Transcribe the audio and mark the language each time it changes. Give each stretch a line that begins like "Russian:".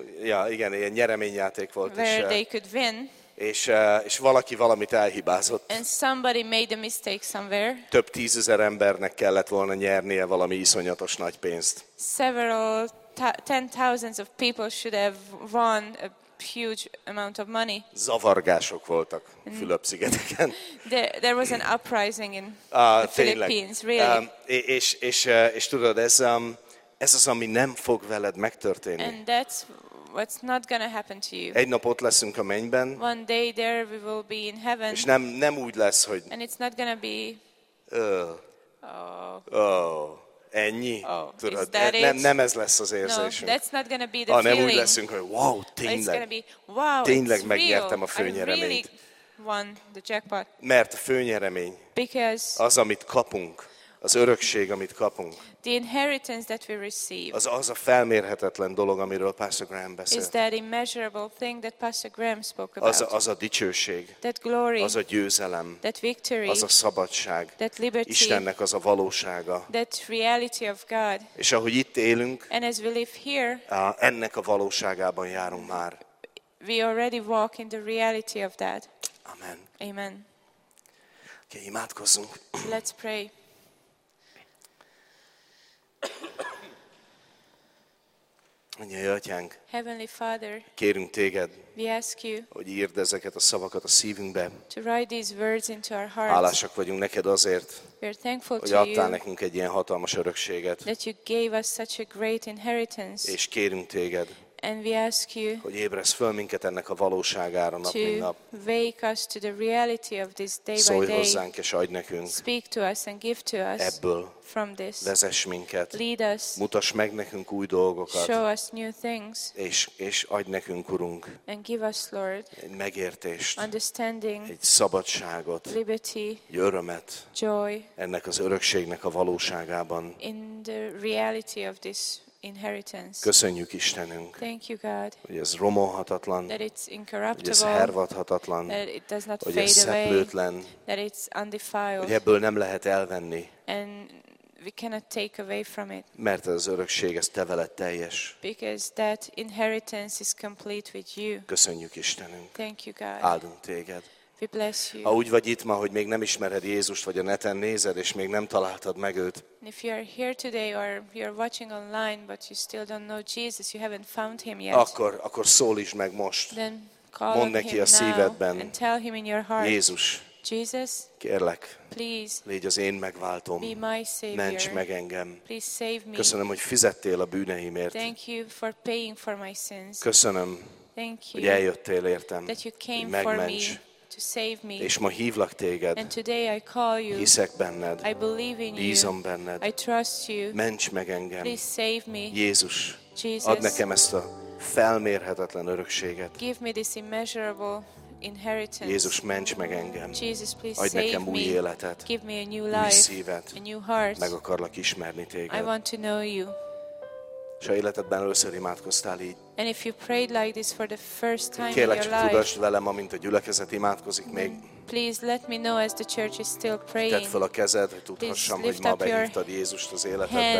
Hungarian: Yeah, igen, ilyen nyereményjáték volt.
English: Where
Hungarian: és,
English: they could win.
Hungarian: És valaki valamit elhibázott.
English: And somebody made a mistake somewhere.
Hungarian: Több tízezer embernek kellett volna nyernie valami iszonyatos nagy pénzt.
English: Several ten thousands of people should have won a huge amount of money.
Hungarian: Zavargások voltak a Fülöp-szigeteken.
English: There was an uprising in the Philippines, really.
Hungarian: És tudod, ez az, ami nem fog veled megtörténni.
English: And that's what's not gonna happen to you.
Hungarian: Egy nap ott leszünk a mennyben.
English: One day there we will be in heaven.
Hungarian: És nem úgy lesz, hogy
English: and it's not gonna be
Hungarian: ennyi. Oh, tudod, nem ez lesz az érzésünk.
English: No, that's not gonna be the feeling.
Hungarian: Nem úgy leszünk, hogy wow, tényleg.
English: Wow,
Hungarian: tényleg megnyertem a főnyereményt.
English: Really,
Hungarian: mert a főnyeremény az, amit kapunk, az örökség, amit kapunk,
English: the inheritance that we receive,
Hungarian: az a felmérhetetlen dolog, amiről Pastor Graham beszélt.
English: Is that immeasurable thing that Pastor Graham spoke about?
Hungarian: Az a dicsőség,
English: that glory,
Hungarian: az a győzelem,
English: that victory,
Hungarian: az a szabadság,
English: that liberty,
Hungarian: Istennek az a valósága,
English: that reality of God.
Hungarian: És ahogy itt élünk,
English: and as we live here,
Hungarian: ennek a valóságában járunk már.
English: We already walk in the reality of that.
Hungarian: Amen.
English: Amen.
Hungarian: Okay, imádkozzunk.
English: Let's pray.
Hungarian: Anyai Atyánk,
English: Heavenly Father,
Hungarian: kérünk téged,
English: we ask you,
Hungarian: hogy írd ezeket a szavakat a szívünkbe.
English: To write these words into our hearts.
Hungarian: Hálásak vagyunk neked azért, hogy adtál nekünk egy ilyen hatalmas örökséget.
English: That you gave us such a great inheritance.
Hungarian: És kérünk téged,
English: and we ask you,
Hungarian: hogy ébresz föl minket ennek a valóságára nap mint nap.
English: Wake us to the reality of this day by
Hungarian: day. Szólj hozzánk és adj nekünk.
English: Speak to us and give to us.
Hungarian: Ebből.
English: From this.
Hungarian: Vezess minket.
English: Lead us.
Hungarian: Mutass meg nekünk új dolgokat.
English: Show us new things.
Hungarian: És adj nekünk, Urunk.
English: And give us, Lord.
Hungarian: Egy megértést.
English: Understanding.
Hungarian: Egy szabadságot.
English: Liberty.
Hungarian: Egy örömet.
English: Joy.
Hungarian: Ennek az örökségnek a valóságában.
English: In the reality of this inheritance.
Hungarian: Köszönjük Istenünk.
English: Thank you God.
Hungarian: Hogy ez romolhatatlan.
English: That it's incorruptible.
Hungarian: Hogy ez hervadhatatlan.
English: That it does not fade away.
Hungarian: Hogy ez szeplőtlen.
English: That it's undefiled.
Hungarian: Hogy ebből nem lehet elvenni.
English: And we cannot take away from it.
Hungarian: Mert az örökség ez te veled teljes.
English: Because that inheritance is complete with you.
Hungarian: Köszönjük Istenünk.
English: Thank you God.
Hungarian: Áldunk téged.
English: We bless you.
Hungarian: Ha úgy vagy itt ma, hogy még nem ismered Jézust, vagy a neten nézed, és még nem találtad meg őt.
English: If you are here today or you are watching online but you still don't know Jesus, you haven't found him yet.
Hungarian: Akkor szólítsd meg most.
English: Then call
Hungarian: mondd neki
English: him
Hungarian: a szívedben.
English: And tell him in your heart.
Hungarian: Jézus.
English: Jesus.
Hungarian: Kérlek.
English: Please.
Hungarian: Légy az én megváltom.
English: Be my savior.
Hungarian: Ments meg engem.
English: Please save me.
Hungarian: Köszönöm, hogy fizettél a bűneimért.
English: Thank you for paying for my sins.
Hungarian: Köszönöm.
English: Thank you.
Hungarian: Hogy eljöttél értem.
English: That you came
Hungarian: megments.
English: For me. To save me.
Hungarian: És ma hívlak téged.
English: And today I call you.
Hungarian: Hiszek benned.
English: I believe in you.
Hungarian: Bízom benned.
English: I trust you.
Hungarian: Ments meg engem.
English: Please save me.
Hungarian: Jézus.
English: Jesus.
Hungarian: Add nekem ezt a felmérhetetlen örökséget.
English: Give me this immeasurable inheritance.
Hungarian: Jézus, ments meg engem.
English: Jesus, please
Hungarian: adj
English: save
Hungarian: nekem új
English: me.
Hungarian: Életet.
English: Give me a new life.
Hungarian: Új szívet.
English: A new heart.
Hungarian: Meg akarlak ismerni téged.
English: I want to know you.
Hungarian: És ha életedben először imádkoztál így,
English: and if you prayed like this for the first time
Hungarian: kérlek,
English: in your life,
Hungarian: tudasd velem, amint a gyülekezet imádkozik még.
English: Please let me know as the church is still praying.
Hungarian: Tedd fel a kezed, hogy tudhassam, hogy ma behívtad Jézust az életedbe.